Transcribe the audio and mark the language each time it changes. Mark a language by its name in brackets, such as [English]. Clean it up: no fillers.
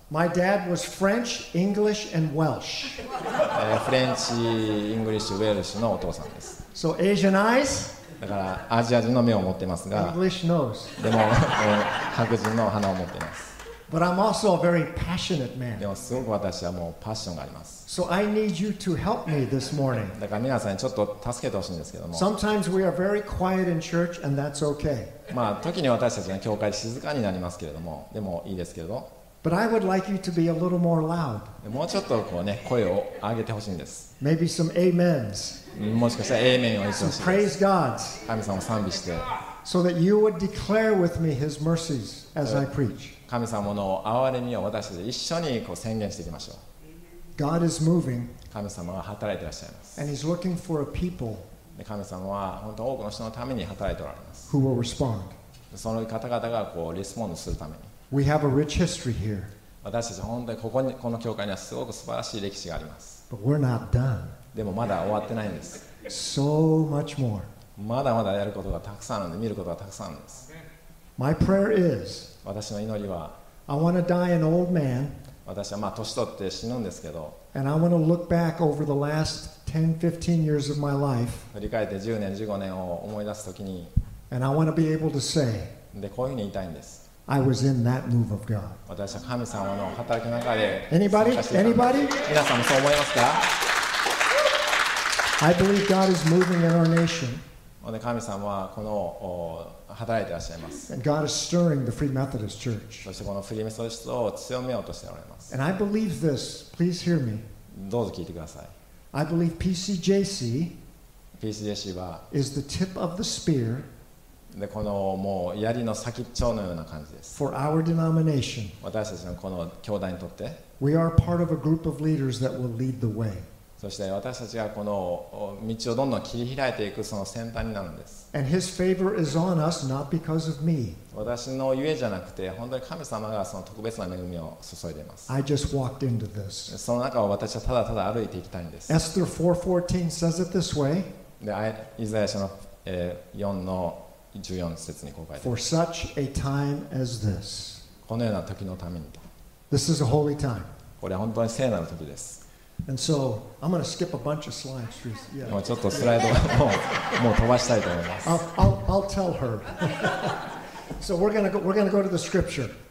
[English] My dad was French, English, and Welsh. [Japanese] フレンチ、イングリッシュ、ウェルシュのお父さんです。 [English] So Asian eyes. [Japanese] だからアジア人の目を持ってますが、 [English] English nose. [Japanese] でも白人の鼻を持っています。 [English] But I'm also a very passionate man. [Japanese] でもすごく私はもうパッションがあります。 [English] So I need you to help me this morning. [Japanese] だから皆さんにちょっと助けてほしいんですけども。 [English] Sometimes we are very quiet in church, and that's okay. [Japanese] まあ時に私たちが教会静かになりますけれども、でもいいですけれど。 [English] But I would like you to be a little more loud. [Japanese] もうちょっとこうね声を上げてほしいんです。 [English] Maybe some amens. [Japanese] もしかしたらアーメンを言ってほしい。 [English] Praise God. [Japanese] 神様を賛美して。 [English] So that you would declare with me His mercies as I preach. [Japanese] 神様の憐れみを私たち一緒にこう宣言していきましょう。 [English] God is moving. [Japanese] 神様は働いていらっしゃいます。 [English] And He's looking for a people. [Japanese] で、神様は本当多くの人のために働いておられます。 [English] Who will respond? [Japanese] その方々がこうリスポンドするために。 [English] We have a rich history here. [Japanese] 私たち本当にここにこの教会にはすごく素晴らしい歴史があります。 [English] But we're not done. [Japanese] でもまだ終わってないんです。 [English] So much more. [Japanese] まだまだやることがたくさんあるんで、見ることがたくさんあるんです。 [English] My prayer is, [Japanese] 私の祈りは、 [English] I want to die an old man, [Japanese] 私はまあ年取って死ぬんですけど、 [English] and I want to look back over the last 10, 15 years of my life, [Japanese] 振り返って10年、15年を思い出すときに、 [English] and I want to be able to say, [Japanese] で、こういうふうに言いたいんです。 [English] I was in that move of God. [Japanese] 私は神様の働きの中で、 [English] anybody? Anybody? [Japanese] 皆さんもそう思いますか？ [English] I believe God is moving in our nation. [Japanese] 神様はこの働いていらっしゃいます。 [English] And God is stirring the Free Methodist Church. [Japanese] そしてこのフリーメソリストを強めようとしておられます。 [English] And I believe this. Please hear me. [Japanese] どうぞ聞いてください。 [English] I believe PCJC, [Japanese] PCJC は [English] is the tip of the spear. [Japanese] でこのもう槍の先っちょのような感じです。 [English] For our denomination. [Japanese] 私たちのこの教団にとって。 [English] We are part of a group of leaders that will lead the way. [Japanese] そして私たちがこの道をどんどん切り開いていくその先端になるんです。 [English] And his favor is on us, not because of me. [Japanese] 私のゆえじゃなくて本当に神様がその特別な恵みを注いでいます。 [English] I just walked into this. [Japanese] その中を私はただただ歩いていきたいんです。 [English] Esther 4:14 says it this way. [Japanese] でイザヤ書の4の14節にこう書いてます。 [English] For such a time as this. [Japanese] このような時のためにと。 [English] This is a holy time. [Japanese] これは本当に聖なる時です。 [English] And so I'm going to skip a bunch of slides. Yeah. [Japanese] もうちょっとスライドをもう飛ばしたいと思います。 [English] I'll tell her. So we're going to go to the scripture.